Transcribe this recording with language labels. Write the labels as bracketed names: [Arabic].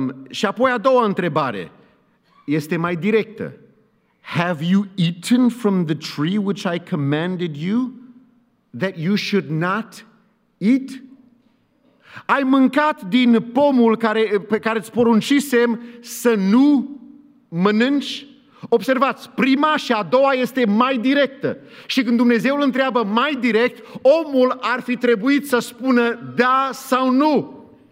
[Romanian] Și apoi a doua întrebare este mai directă. [English] Have you eaten from the tree which I commanded you that you should not eat? [Romanian] Ai mâncat din pomul pe care îți poruncisem să nu mănânci? Observați, prima și a doua este mai directă. Și când Dumnezeu îl întreabă mai direct, omul ar fi trebuit să spună da sau nu.